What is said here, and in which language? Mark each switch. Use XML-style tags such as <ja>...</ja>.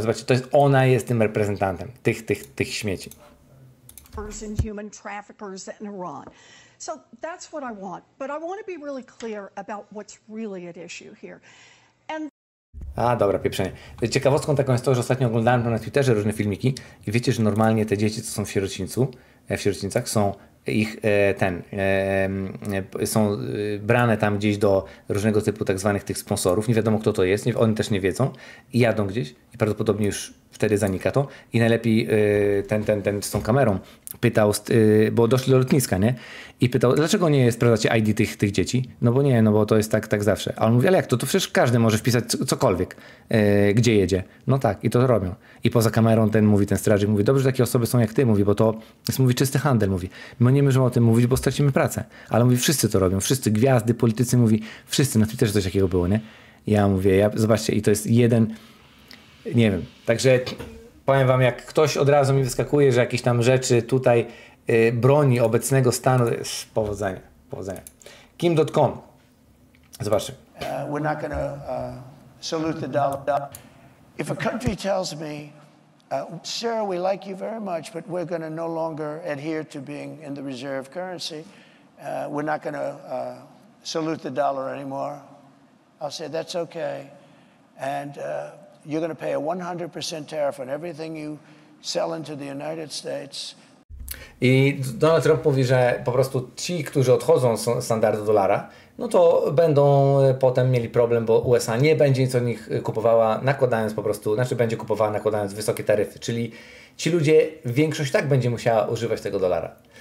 <pl>Zobaczcie, to jest, ona jest tym reprezentantem tych śmieci.</pl> <en>Human traffickers in Iran. So that's what I want, but I want to be really clear about what's really at issue here. And...</en> <pl>A, dobra, pieprzenie. Ciekawostką taką jest to, że ostatnio oglądałem na Twitterze różne filmiki i wiecie, że normalnie te dzieci, co są w sierocińcu, w sierocińcach, są ich ten, są brane tam gdzieś do różnego typu tak zwanych tych sponsorów, nie wiadomo kto to jest, nie, oni też nie wiedzą, i jadą gdzieś i prawdopodobnie już wtedy zanika to i najlepiej ten z tą kamerą pytał, bo doszli do lotniska, nie? I pytał, dlaczego nie sprawdzacie ID tych dzieci? No bo to jest tak zawsze. A on mówi, ale jak to? To przecież każdy może wpisać cokolwiek, gdzie jedzie. No tak, i to robią. I poza kamerą ten strażnik mówi, dobrze, że takie osoby są jak ty, mówi, bo to jest, mówi, czysty handel, mówi. My nie możemy o tym mówić, bo stracimy pracę. Ale mówi, wszyscy to robią, wszyscy, gwiazdy, politycy, mówi, wszyscy, na Twitterze coś takiego było, nie? Ja mówię, zobaczcie, i to jest jeden, nie wiem, także... Powiem wam, jak ktoś od razu mi wyskakuje, że jakieś tam rzeczy tutaj broni obecnego stanu, powodzenia. Kim.com. Zobaczmy.</pl> <en>We're not going to salute the dollar. If a country tells me, sir, we like you very much, but we're going to no longer adhere to being in the reserve currency, we're not going to salute the dollar anymore, I'll say that's okay. And... You're going to pay a 100% tariff on everything you sell into the United States.</en> <pl>I Donald Trump mówi, że po prostu ci, którzy odchodzą z standardu dolara, no to będą potem mieli problem, bo USA nie będzie nic od nich kupowała, nakładając po prostu, znaczy będzie kupowała nakładając wysokie taryfy. Czyli ci ludzie, większość tak będzie musiała używać tego dolara.</pl>